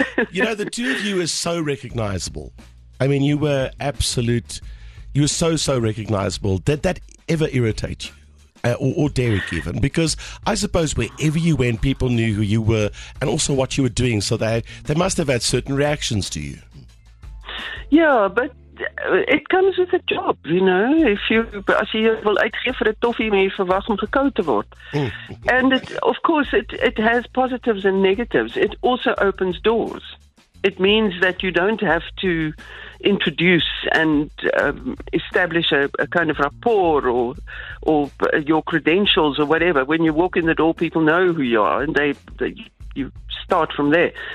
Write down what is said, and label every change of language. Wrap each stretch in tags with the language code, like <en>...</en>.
<en>You know, the two of you are so recognizable. I mean, you were absolute, you were so, so recognizable. Did that ever irritate you? Or Derek even, because I suppose wherever you went, people knew who you were and also what you were doing, so they must have had certain reactions to you. Yeah, but it comes with a job, you know. If you, as you will</en> <af>uitgeef vir 'n toffie, maar jy verwag om gekou te word.</af> <en>And it, of course, it has positives and negatives. It also opens doors. It means that you don't have to introduce and establish a kind of rapport or your credentials or whatever. When you walk in the door, people know who you are, and they you start from there.</en>